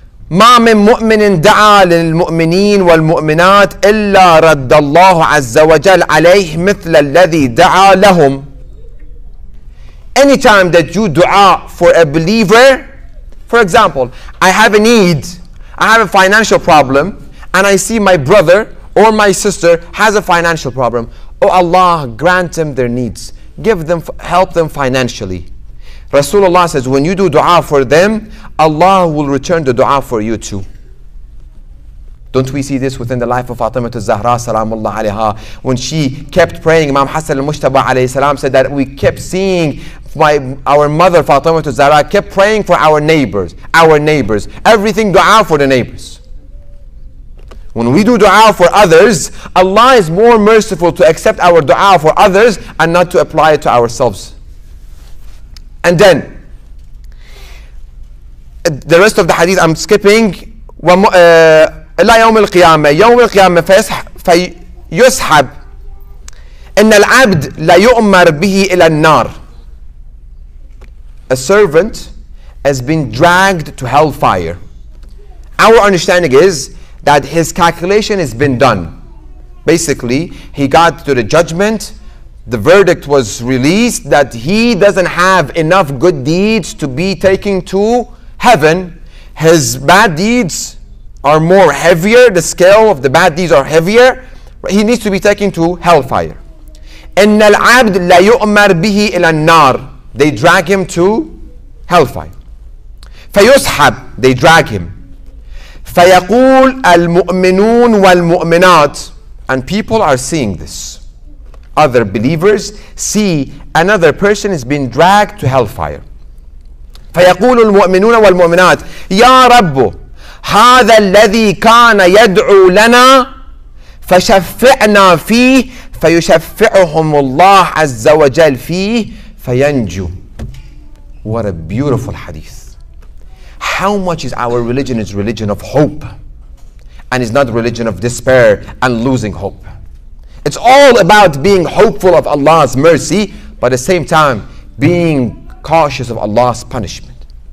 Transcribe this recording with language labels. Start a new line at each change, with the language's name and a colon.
Arabic: ما من مؤمن دعا للمؤمنين والمؤمنات إلا رد الله عز وجل عليه مثل الذي دعا لهم.
English: Anytime that you dua for a believer, for example, I have a need, I have a financial problem, and I see my brother or my sister has a financial problem. Oh Allah, grant them their needs. Give them, help them financially. Rasulullah says, when you do dua for them, Allah will return the dua for you too. Don't we see this within the life of Fatima al-Zahra salamullah alayha? When she kept praying, Imam Hassan al-Mushtaba alayhi salam said that we kept seeing our mother Fatima al-Zahra kept praying for our neighbors, everything dua for the neighbors. When we do dua for others, Allah is more merciful to accept our dua for others and not to apply it to ourselves. And then, the rest of the hadith I'm skipping.
Arabic: إلا يوم القيامة يوم القيامة فيسحب إن العبد لا يؤمر به إلى النار.
English: A servant has been dragged to hellfire. Our understanding is that his calculation has been done. Basically, he got to the judgment. The verdict was released that he doesn't have enough good deeds to be taken to heaven. His bad deeds are more heavier. The scale of the bad deeds are heavier. He needs to be taken to hellfire.
Arabic: إِنَّ الْعَبْدِ لَيُؤْمَرْ بِهِ إِلَى النَّارِ.
English: They drag him to hellfire.
Arabic: فَيُسْحَبْ.
English: They drag him.
Arabic: فَيَقُولْ الْمُؤْمِنُونَ وَالْمُؤْمِنَاتِ.
English: And people are seeing this. Other believers see another person is being dragged to hellfire.
Arabic: فيقول المؤمنون والمؤمنات يا رب هذا الذي كان يدعو لنا فشفعنا فيه فيشفعهم الله عز وجل فيه فينجو.
English: What a beautiful hadith. How much is our religion is religion of hope and is not religion of despair and losing hope. It's all about being hopeful of Allah's mercy, but at the same time, being cautious of Allah's punishment.